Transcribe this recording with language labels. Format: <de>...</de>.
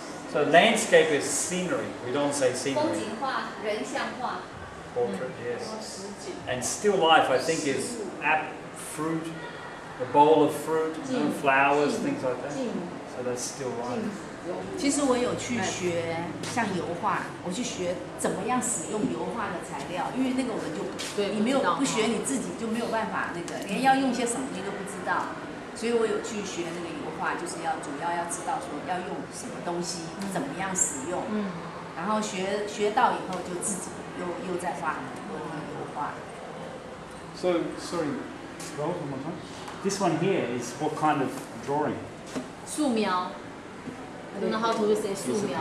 <en>So landscape is scenery. We don't say scenery.</en> <zh>风景画，人像画。</zh> <en>Portrait, yes. And still life, I think, is apple, fruit, a bowl of fruit, flowers, things like that. So that's still life.</en> <zh>其实我有去学像油画，我去学怎么样使用油画的材料，因为那个我们就你没有不学你自己就没有办法那个，连要用些什么你都不知道。所以我有去学那个油画，就是要主要要知道说要用什么东西，怎么样使用。然后学到以后，就自己又在画油画。</zh> <en>So sorry, draw one more time. This one here is what kind of drawing? 素描。I don't know how to say 素描。</en>